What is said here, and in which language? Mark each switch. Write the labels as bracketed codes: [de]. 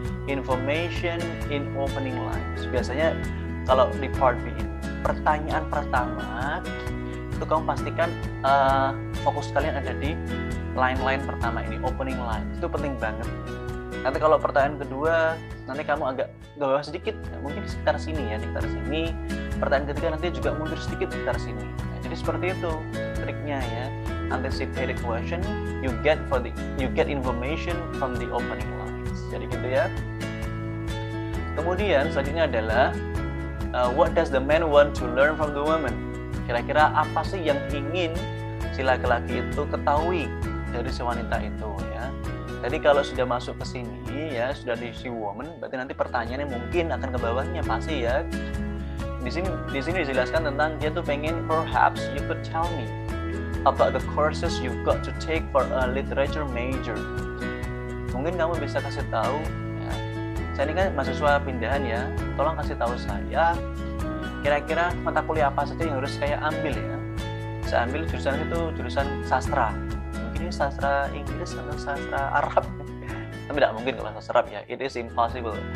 [en] Information in opening lines. [id] Biasanya kalau di part B ini, pertanyaan pertama itu kamu pastikan fokus kalian ada di line-line pertama ini, opening line. Itu penting banget. Nanti kalau pertanyaan kedua, nanti kamu agak gawah sedikit, mungkin di sekitar sini ya, di sekitar sini. Pertanyaan ketiga nanti juga mundur sedikit di sekitar sini. Nah, jadi seperti itu triknya ya. [en] Anticipated question, you get information from the opening lines. [id] Jadi gitu ya. Kemudian selanjutnya adalah [en] what does the man want to learn from the woman? [id] Kira-kira apa sih yang ingin si laki-laki itu ketahui dari si wanita itu ya? Jadi kalau sudah masuk ke sini ya, sudah di si woman, berarti nanti pertanyaannya mungkin akan ke bawahnya pasti ya. Di sini dijelaskan tentang dia tuh pengen, [en] perhaps you could tell me about the courses you've got to take for a literature major. [id] Mungkin kamu bisa kasih tahu. Saya ini kan mahasiswa pindahan ya, tolong kasih tahu saya kira-kira mata kuliah apa saja yang harus saya ambil ya. Saya ambil jurusan itu jurusan sastra, mungkin ini sastra Inggris atau sastra Arab. Tapi tidak mungkin kalau sastra Arab ya, [en] it is impossible.